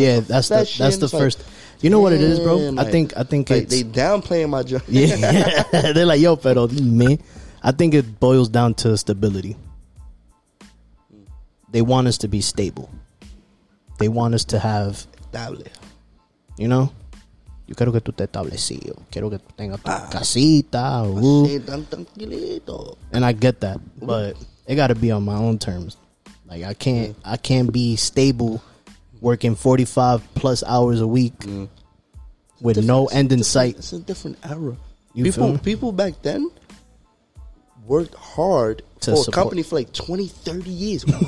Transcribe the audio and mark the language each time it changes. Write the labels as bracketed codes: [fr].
[en] a profession? That's the like, first. You know what it is, bro? I think like, they downplaying my job. Yeah. They're like, yo, [es] pero, [en] me. I think it boils down to stability. They want us to be stable. They want us to have [es] estable. [en] You know? [es] Yo quiero que tú te establecido. Quiero que tengas tu casita. Tranquilito. [en] And I get that, but it got to be on my own terms. Like I can't be stable working 45 plus hours a week with no end in sight. It's a different era. You people feel me? People back then worked hard for a company for like 20, 30 years.